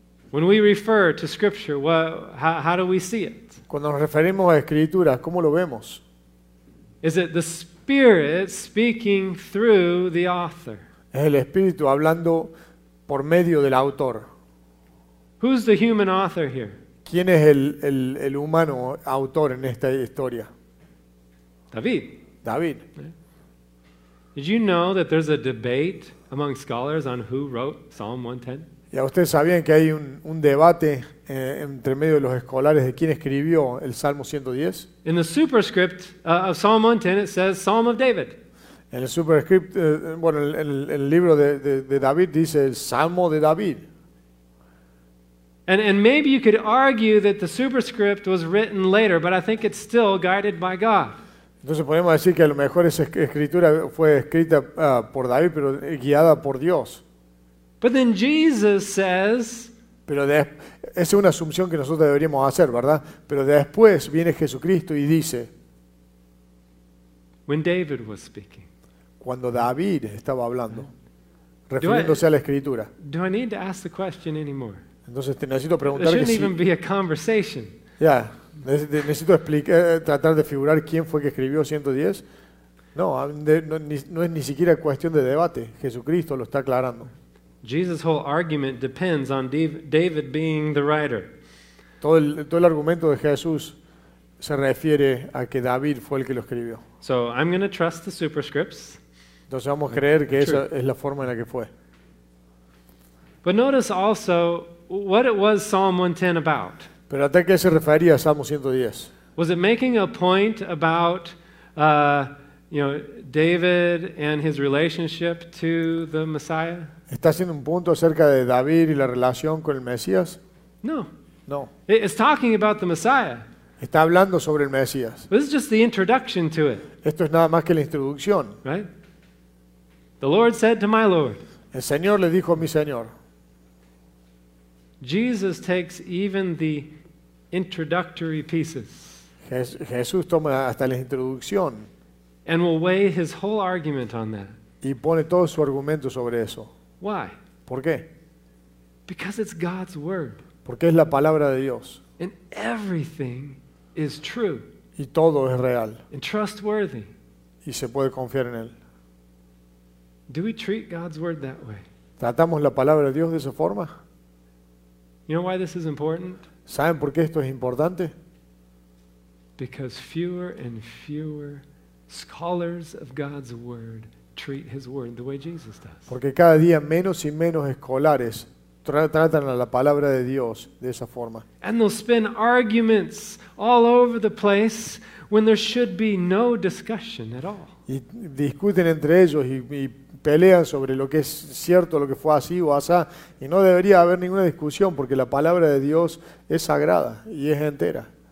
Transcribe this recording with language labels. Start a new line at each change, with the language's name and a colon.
English: When we refer to Scripture, how do we see it?
Spanish: Cuando nos referimos a Escrituras, ¿cómo lo vemos?
English: Is it the Spirit speaking through the author?
Spanish: Es el Espíritu hablando por medio del autor.
English: Who's the human author here?
Spanish: ¿Quién es el humano autor en esta historia?
English: David.
Spanish: David.
English: Did you know that there's a debate among scholars on who wrote Psalm 110?
Spanish: ¿Ya ustedes sabían que hay un debate entre medio de los escolares de quién escribió el Salmo 110?
English: In the superscript of Psalm 110 it says Psalm of David.
Spanish: En el superscript, bueno, en el libro de David dice el Salmo de David.
English: And maybe you could argue that the superscript was written later, but I think it's still guided by God.
Spanish: Entonces podemos decir que a lo mejor esa escritura fue escrita por David, pero guiada por Dios.
English: But then Jesus says.
Spanish: Pero esa es una asunción que nosotros deberíamos hacer, ¿verdad? Pero después viene Jesucristo y dice.
English: When David was speaking.
Spanish: Cuando David estaba hablando, refiriéndose a la escritura.
English: Do I need to ask the question anymore?
Spanish: Entonces te necesito preguntar que si.
English: Be a conversation. Yeah.
Spanish: Necesito tratar de figurar quién fue que escribió 110. No, no es ni siquiera cuestión de debate. Jesucristo lo está aclarando.
English: Jesus' whole argument depends on David being the writer.
Spanish: Todo el argumento de Jesús se refiere a que David fue el que lo escribió.
English: So I'm going to trust the superscripts.
Spanish: Entonces vamos a creer que esa es la forma en la que fue.
English: But notice also what it was Psalm 110 about.
Spanish: Pero ¿a qué se refería Salmo 110?
English: Was it making a point about David and his relationship to the Messiah?
Spanish: ¿Está haciendo un punto acerca de David y la relación con el Mesías?
English: No.
Spanish: No.
English: It's talking about the Messiah.
Spanish: Está hablando sobre el Mesías.
English: This is just the introduction to it.
Spanish: Esto es nada más que la introducción.
English: Right? The Lord said to my Lord.
Spanish: El Señor le dijo a mi Señor.
English: Jesus takes even the introductory pieces.
Spanish: Jesús toma hasta la introducción.
English: And will weigh his whole argument on that.
Spanish: Y pone todo su argumento sobre eso.
English: Why?
Spanish: ¿Por qué?
English: Because it's God's word.
Spanish: Porque es la palabra de Dios.
English: And everything is true.
Spanish: Y todo es real.
English: And trustworthy.
Spanish: Y se puede confiar en él.
English: Do we treat God's word that way?
Spanish: ¿Tratamos la palabra de Dios de esa forma?
English: You know why this is important?
Spanish: ¿Saben por qué esto es importante?
English: Because fewer and fewer scholars of God's word treat his word the way Jesus does.
Spanish: Porque cada día menos y menos escolares tratan a la palabra de Dios de esa forma.
English: And they'll spin arguments all over the place when there should be no discussion at all.
Spanish: Y discuten entre ellos y pelean sobre lo que es cierto, lo que fue así o asá, y no debería haber ninguna discusión porque la palabra de Dios es sagrada y es entera.